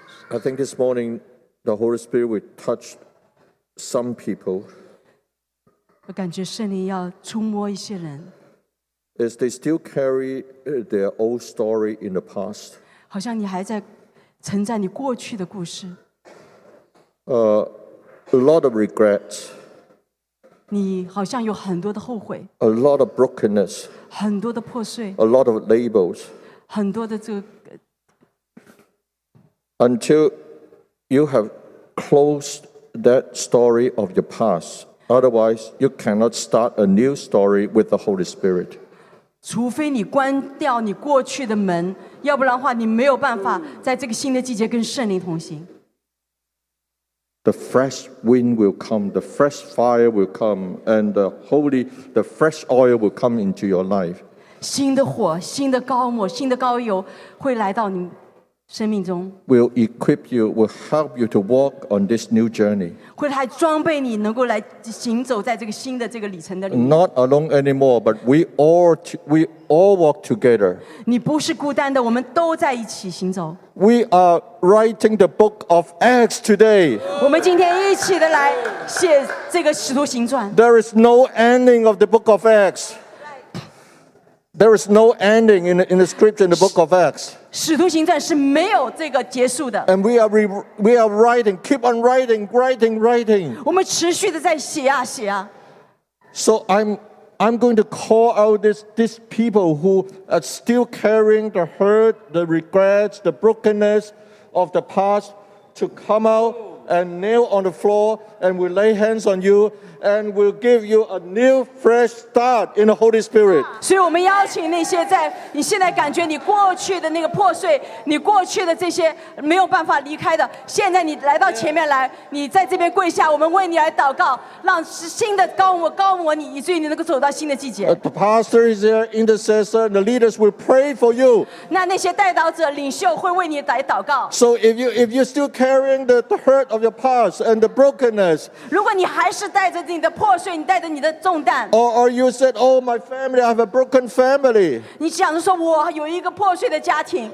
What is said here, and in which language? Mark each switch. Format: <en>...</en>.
<en>I think this morning the Holy Spirit will touch some people.</en> <zh>我感觉圣灵要触摸一些人。</zh> <en>As they still carry their old story in the past.</en> <zh>好像你还在承载你过去的故事。</zh> <en>A lot of regrets.</en> <zh>你好像有很多的后悔。</zh> <en>A lot of brokenness.</en> <zh>很多的破碎。</zh> <en>A lot of labels.</en> <zh>很多的这个。</zh> <en>Until you have closed that story of your past, otherwise you cannot start a new story with the Holy Spirit.</en> <zh>除非你关掉你过去的门，要不然的话，你没有办法在这个新的季节跟圣灵同行。</zh> <en>The fresh wind will come, the fresh fire will come, and the fresh oil will come into your life.</en> <zh>新的火、新的膏抹、新的膏油会来到你。生命中</zh> <en>will equip you, will help you to walk on this new journey.</en> <zh>会来装备你，能够来行走在这个新的这个里程的里面。</zh> <en>Not alone anymore, but we all walk together.</en> <zh>你不是孤单的，我们都在一起行走。</zh> <en>We are writing the book of Acts today.</en> <zh>我们今天一起的来写这个使徒行传。</zh> <en>There is no ending of the book of Acts. There is no ending in the scripture in the book of Acts.</en> <zh>使徒行传是没有这个结束的。</zh> <en>And we are writing, keep on writing, writing, writing.</en> <zh>我们持续的在写啊写啊。</zh> <en>So I'm going to call out these people who are still carrying the hurt, the regrets, the brokenness of the past to come out and kneel on the floor, and we lay hands on you, and we'll give you a new, fresh start in the Holy Spirit.</en> <zh>所以我们邀请那些在你现在感觉你过去的那个破碎，你过去的这些没有办法离开的，现在你来到前面来，你在这边跪下，我们为你来祷告，让新的高摩你，以至于你能够走到新的季节。</zh> <en>The pastor is there, intercessor. The leaders will pray for you.</en> <zh>那些代祷者领袖会为你来祷告。</zh> <en>So if you still carrying the hurt of your past and the brokenness,</en> <zh>如果你还是带着你的破碎，你带着你的重担，</zh> <en>or you said, oh, my family, I have a broken family.</en> <zh>你想着说我有一个破碎的家庭。</zh>